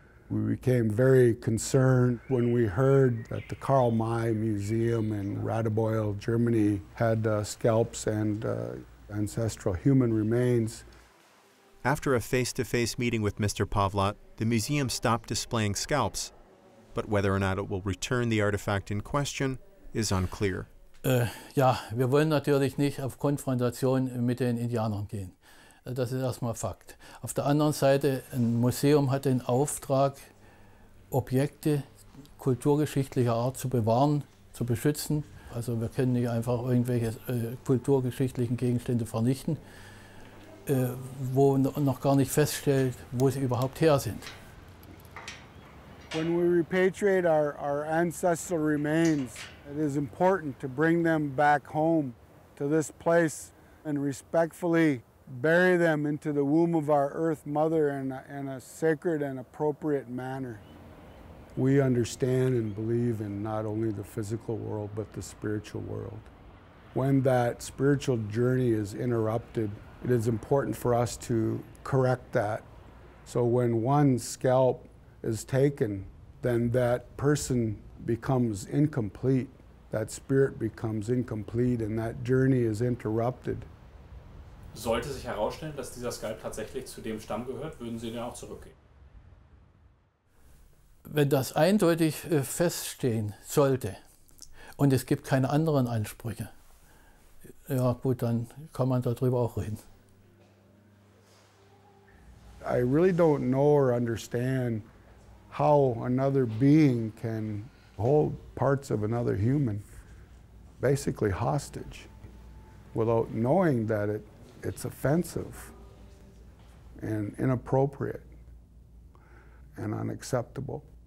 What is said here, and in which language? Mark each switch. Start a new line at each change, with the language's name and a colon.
English: We became very concerned when we heard that the Karl May Museum in Radebeul, Germany, had scalps and ancestral human remains. After a face-to-face meeting with Mr. Pavlot, the museum stopped displaying scalps. But whether or not it will return the artifact in question is unclear.
German: Ja, wir wollen natürlich nicht auf Konfrontation mit den Indianern gehen. Das ist erstmal Fakt. Auf der anderen Seite, ein Museum hat den Auftrag, Objekte kulturgeschichtlicher Art zu bewahren, zu beschützen. Also wir können nicht einfach irgendwelche kulturgeschichtlichen Gegenstände vernichten, wo noch gar nicht feststellt, wo sie überhaupt her sind.
English: When we repatriate our ancestral remains, it is important to bring them back home to this place and respectfully bury them into the womb of our Earth Mother in a sacred and appropriate manner. We understand and believe in not only the physical world, but the spiritual world. When that spiritual journey is interrupted, it is important for us to correct that. So when one scalp is taken, then that person becomes incomplete, that spirit becomes incomplete, and that journey is interrupted.
German: Sollte sich herausstellen, dass dieser Skalp tatsächlich zu dem Stamm gehört, würden Sie den auch zurückgeben? Wenn das eindeutig feststehen sollte und es gibt keine anderen Ansprüche, ja gut, dann kann man darüber auch reden.
English: I really don't know or understand how another being can hold parts of another human basically hostage without knowing that it's offensive and inappropriate and unacceptable.